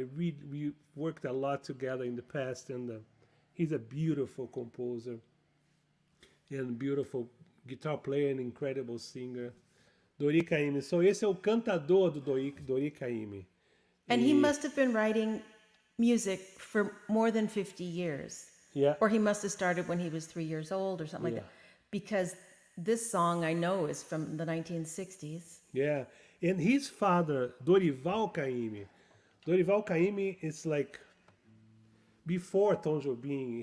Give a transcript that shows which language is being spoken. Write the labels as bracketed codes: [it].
[en] We worked a lot together in the past, and he's a beautiful composer and beautiful guitar player and incredible singer, Dori Caymmi. [pt] So esse é o cantador do Dori Caymmi. [en] And he must have been writing music for more than 50 years. Yeah. Or he must have started when he was 3 years old or something like that. Because this song I know is from the 1960s. Yeah. And his father, Dorival Caymmi is like before Tom Jobim.